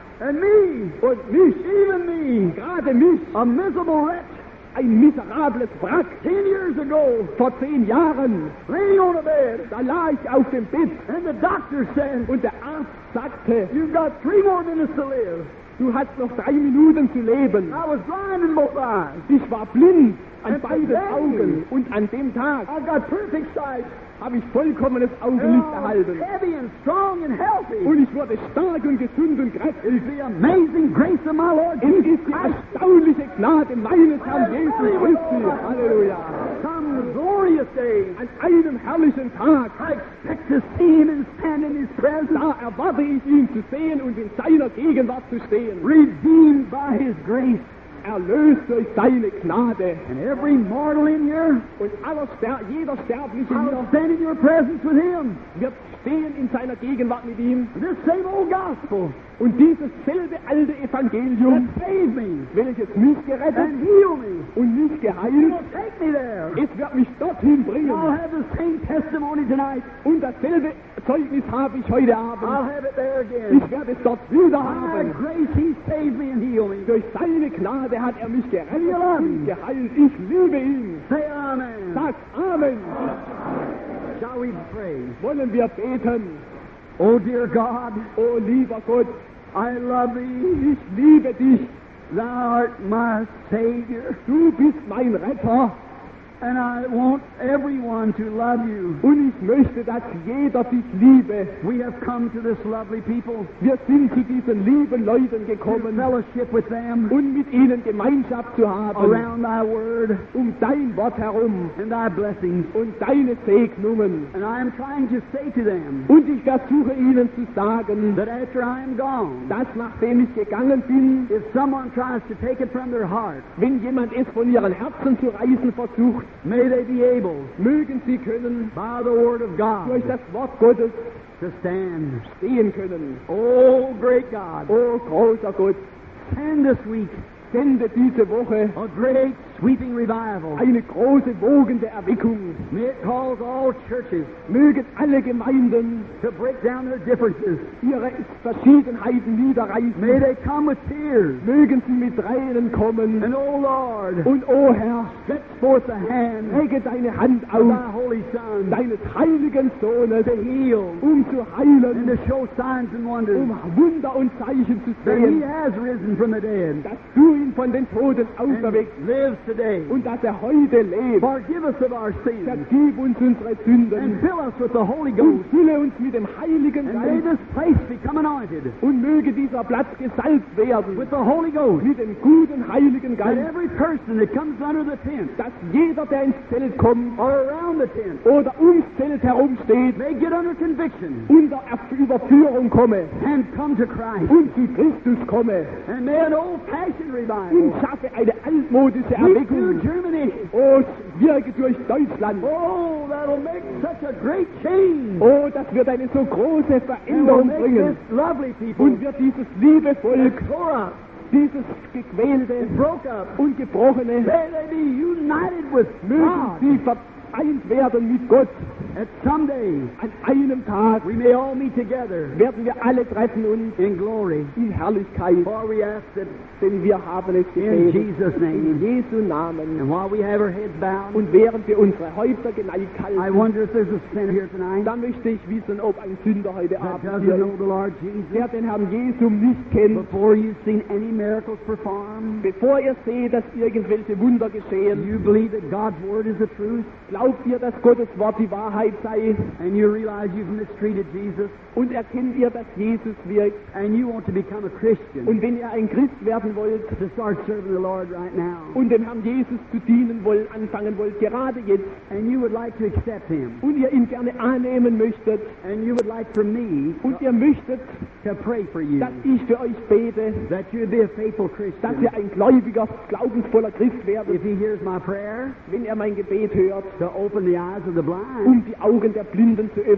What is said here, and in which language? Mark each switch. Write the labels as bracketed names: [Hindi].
[English] And me. [German] Und mich. [English] Even me. [German] Gerade mich. [English] A miserable wretch. [German] Ein miserables Wrack. [English] 10 years ago. [German] Vor 10 Jahren. [English] Laying on a bed. [German] Da lag ich auf dem Bett. [English] And the doctor said. [German] Und der Arzt sagte. [English] You've got 3 more minutes to live. [German] Du hast noch 3 Minuten zu leben. [English] I was blind in both eyes. [German] Ich war blind. An beiden Augen und an dem Tag [English] I've got perfect sight. [German] Habe ich vollkommenes Augenlicht erhalten. [English] Oh, heavy and strong and healthy. [German] Und ich wurde stark und gesund und kräftig. [English] It is the amazing grace of my Lord Jesus. [German] Es ist die erstaunliche Gnade meines Herrn Jesus Christus. [English] Halleluja. Some glorious day. [German] An einem herrlichen Tag. [English] I expect to see him and stand in his presence. [German] Da erwarte ich ihn zu sehen und in seiner Gegenwart zu stehen. [English] Redeemed by his grace. [German] erlöst durch deine Gnade. [English] And every mortal in here, [German] und aller jeder Sterbliche [English] in here, stand in your presence with him. [German] Wird stehen in seiner Gegenwart mit ihm. [English] This same old gospel, [German] und dieses selbe alte Evangelium, [English] that saved me, [German] welches mich gerettet [English] and healed me, [German] und mich geheilt, [English] take me there. [German] Es wird mich dorthin bringen. [English] I'll have the same testimony tonight. [German] Und dasselbe Zeugnis habe ich heute Abend. [English] I'll have it there again. [German] Ich werde es dort wieder haben. [English] By grace he saved me and healed me. [German] Durch seine Gnade hat mich gerettet und mich geheilt. Ich liebe ihn. [English] Say amen. [German] Sag amen. [English] Shall we pray? [German] Wollen wir beten? [English] Oh dear God, [German] oh lieber Gott, [English] I love thee. [German] Ich liebe dich. [English] Thou art my Savior. [German] Du bist mein Retter. [English] And I want everyone to love you. [German] Und ich möchte, dass jeder dich liebe. [English] We have come to this lovely people. [German] Wir sind zu diesen lieben Leuten gekommen. [English] To fellowship with them. [German] Und mit ihnen Gemeinschaft zu haben. [English] Around thy word. [German] Um dein Wort herum. [English] And thy blessings. [German] Und deine Segnungen. [English] And I am trying to say to them. [German] Und ich versuche ihnen zu sagen. [English] That after I am gone. [German] Dass nachdem ich gegangen bin. [English] If someone tries to take it from their heart. [German] Wenn jemand es von ihren Herzen zu reißen versucht. [English] May they be able, [German] mögen sie können, [English] by the word of God, [German] durch das Wort Gottes, [English] to stand, [German] stehen können. [English] Oh, great God, [German] oh, großer Gott, [English] send this week, [German] sende diese Woche, [English] a great sweeping revival, [German] eine große wogende Erweckung. [English] May it cause all churches, [German] mögen alle Gemeinden, [English] to break down their differences, [German] ihre Verschiedenheiten niederreißen. [English] May they come with tears, [German] mögen sie mit Tränen kommen. [English] And oh Lord, [German] und oh Herr, [English] stretch forth a hand, [German] lege deine Hand aus, [English] thy holy son, [German] deines heiligen Sohnes, [English] to heal, [German] um zu heilen, [English] and to show signs and wonders, [German] um Wunder und Zeichen zu sehen, [English] that he has risen from the dead, [German] dass du ihn von den Toten auferweckt hast. Und dass heute lebt. [English] Forgive us of our sins. [German] Vergib uns unsere Sünden. [English] And fill us with the Holy Ghost. [German] Und fülle uns mit dem Heiligen Geist. [English] And may this place become anointed. [German] Und möge dieser Platz gesalbt werden. [English] With the Holy Ghost. [German] Mit dem guten Heiligen Geist. [English] That every person that comes under the tent. [German] Dass jeder, der ins Zelt kommt. [English] Or around the tent. [German] Oder ums Zelt herum steht. [English] May get under conviction. [German] Unter Überführung komme. [English] And come to Christ. [German] Und zu Christus komme. [English] And may an old fashioned revival. [German] Und schaffe eine altmodische [English] Germany. [German] Oh, wirke durch Deutschland. [English] Oh, that'll make such a great change. [German] Oh, das wird eine so große Veränderung bringen. [English] Lovely people. [German] Und wird dieses liebe Volk, dieses gequälte, [English] broke up, [German] und gebrochene, [English] may they be united with [German] mögen [English] God. [German] Sie vereint werden mit Gott. [English] At some day, [German] an einem Tag, [English] we may all meet together, [German] werden wir alle treffen uns [English] in glory, [German] in Herrlichkeit. [English] For we ask it, [German] denn wir haben es gebeten, [English] in Jesus name, [German] in Jesu Namen. [English] And while we have our heads bound, [German] und während wir unsere Häupter geneigt halten, [English] I wonder if there's a sinner here tonight. [German] Dann möchte ich wissen, ob ein Sünder heute Abend hier ist. [English] That doesn't know the Lord Jesus. [German] Wer den Herrn Jesus nicht kennt. [English] Before you've seen any miracles performed, [German] bevor ihr seht, dass irgendwelche Wunder geschehen, [English] do you believe that God's word is the truth? [German] Glaubt ihr, dass Gottes Wort die Wahrheit? [English] And you realize you've mistreated Jesus. [German] Und erkennt ihr, dass Jesus wirkt. [English] And you want to become a Christian. [German] Und wenn ihr ein Christ werden wollt, [English] to start serving the Lord right now. [German] Und dem Herrn Jesus zu dienen wollt, anfangen wollt, gerade jetzt. [English] And you would like to accept him. [German] Und ihr ihn gerne annehmen möchtet. [English] And you would like for me. [German] Und ihr möchtet, [English] to pray for you. [German] Dass ich für euch bete. [English] That you would be a faithful Christian. [German] Dass ihr ein gläubiger, glaubensvoller Christ werdet. [English] If he hears my prayer. [German] Wenn ihr mein Gebet hört. [English] To open the eyes of the blind. [German] Um die Augen der Blinden zu öffnen,